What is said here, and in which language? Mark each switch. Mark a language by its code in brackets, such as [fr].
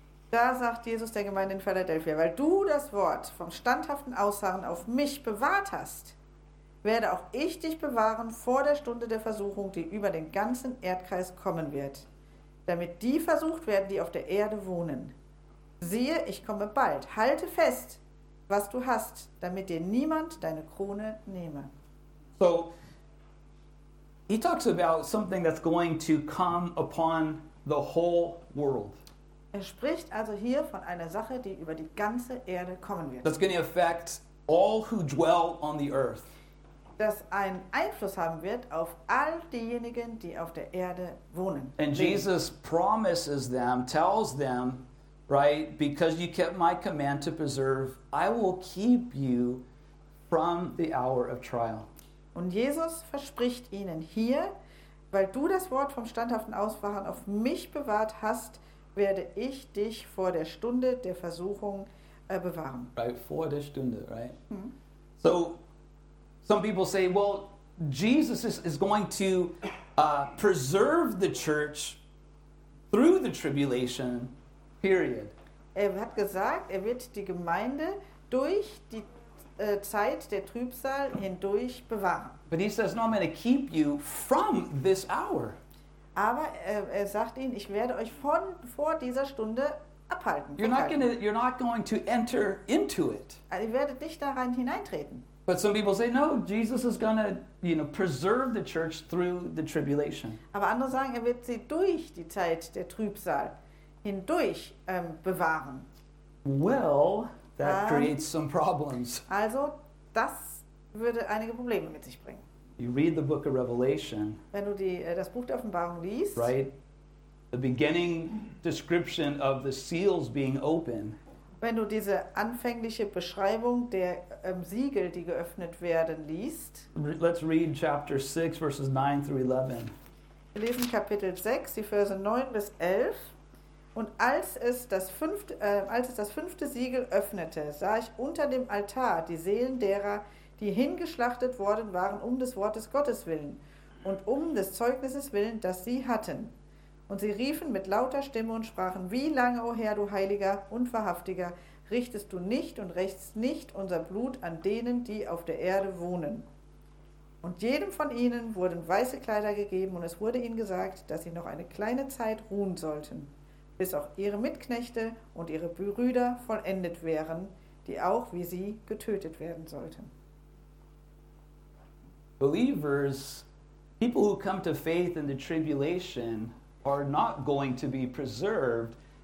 [de] Da sagt Jesus der Gemeinde in Philadelphia, weil du das Wort vom standhaften Ausharren auf mich bewahrt hast, werde auch ich dich bewahren vor der Stunde der Versuchung, die über den ganzen Erdkreis kommen wird, damit die versucht werden, die auf der Erde wohnen. Siehe, ich komme bald, halte fest, was du hast, damit dir niemand deine Krone nehme. [en] So, he talks about something that's going to come upon the whole world. [de] Er spricht also hier von einer Sache, die über die ganze Erde kommen wird. [en] That's going to affect all who dwell on the earth. [de] Das einen Einfluss haben wird auf all diejenigen, die auf der Erde wohnen. [en] And Jesus promises them, tells them, right, because you kept my command to preserve, I will keep you from the hour of trial. [de] Und Jesus verspricht ihnen hier, weil du das Wort vom standhaften Ausharren auf mich bewahrt hast, werde ich dich vor der Stunde der Versuchung bewahren. [en] Right, [de] vor der Stunde, [en] right? Hm. So, some people say, well, Jesus is going to preserve the church through the tribulation period. [de] Er hat gesagt, er wird die Gemeinde durch die Zeit der Trübsal hindurch bewahren. [en] But he says, no, I'm going to keep you from this hour. [de] Aber er sagt ihnen, ich werde euch von vor dieser Stunde abhalten. [en] You're not going to enter into it. [de] Also, ihr werdet nicht da rein hineintreten. [en] But some people say, no, Jesus is going to, you know, preserve the church through the tribulation. [de] Aber andere sagen, er wird sie durch die Zeit der Trübsal hindurch bewahren. [en] Well, that creates some problems. [de] Also, das würde einige Probleme mit sich bringen. [en] You read the book of Revelation. [de] Wenn du das Buch der Offenbarung liest, [en] right? The beginning description of the seals being open. [de] Wenn du diese anfängliche Beschreibung der Siegel, die geöffnet werden, liest. [en] Let's read chapter 6, verses 9 through 11. [de] Wir lesen Kapitel 6, die Verse 9 bis 11. Und als es das fünfte Siegel öffnete, sah ich unter dem Altar die Seelen derer, die hingeschlachtet worden waren um des Wortes Gottes willen und um des Zeugnisses willen, das sie hatten. Und sie riefen mit lauter Stimme und sprachen, wie lange, o Herr, du Heiliger und Wahrhaftiger, richtest du nicht und rächst nicht unser Blut an denen, die auf der Erde wohnen. Und jedem von ihnen wurden weiße Kleider gegeben und es wurde ihnen gesagt, dass sie noch eine kleine Zeit ruhen sollten, bis auch ihre Mitknechte und ihre Brüder vollendet wären, die auch wie sie getötet werden sollten. [en] Believers, people who come to faith in the tribulation are not going to be preserved.